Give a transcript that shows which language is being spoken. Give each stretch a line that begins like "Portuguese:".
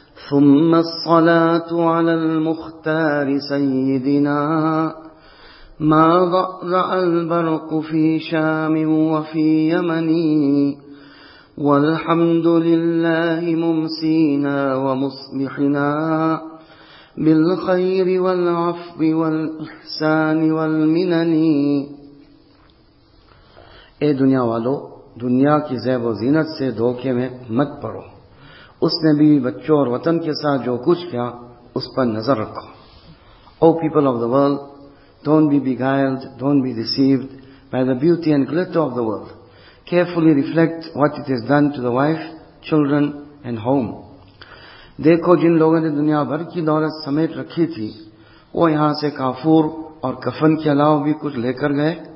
Arabic: ثم الصلاة على المختار سيدنا ما ضأضأ البرق في شام وفي يمن والحمد لله ممسينا ومصبحنا بالخير والعفو والإحسان والمنن.
Urdu: اے دنیا والو دنیا کی زیب و زینت سے دھوکے میں مت پڑو. اس نے بھی بچوں اور وطن کے ساتھ جو کچھ کیا اس پر نظر رکھو.
English: O people of the world don't be beguiled don't be received by the beauty and glitter of the world. Carefully reflect what it is done to the wife children and home.
Urdu: دیکھو جن لوگوں نے دنیا بھر کی دولت سمیٹ رکھی تھی وہ یہاں سے کافور اور کفن کے علاوہ بھی کچھ لے کر گئے.